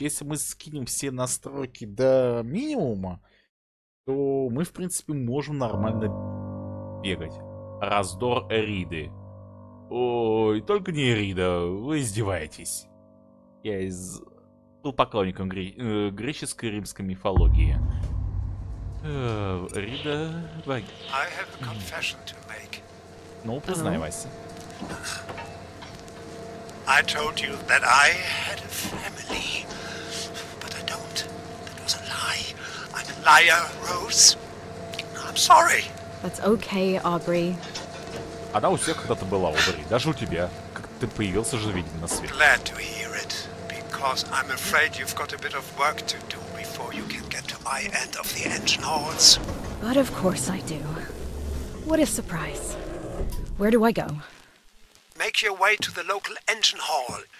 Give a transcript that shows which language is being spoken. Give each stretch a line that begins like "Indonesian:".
Russian: Если мы скинем все настройки до минимума, то мы, в принципе, можем нормально бегать. Раздор Эриды. Ой, только не Эрида, вы издеваетесь. Я был поклонником греческой и римской мифологии. Эрида...
English: I have a confession to make.
Russian: Ну, признай, Вася.
English: I told you that I had a family, but I don't. That was a lie. I'm a liar, Rose. I'm sorry. That's okay, Aubrey.
Russian: Она у всех когда-то была, Aubrey. Даже у тебя. Как ты появился же, видимо, на свет.
English: Glad to hear it, because I'm afraid you've got a bit of work to do before you can get to my end of the engine halls. But of course I do. What a surprise. Where do I go? Make your way to the local engine hall.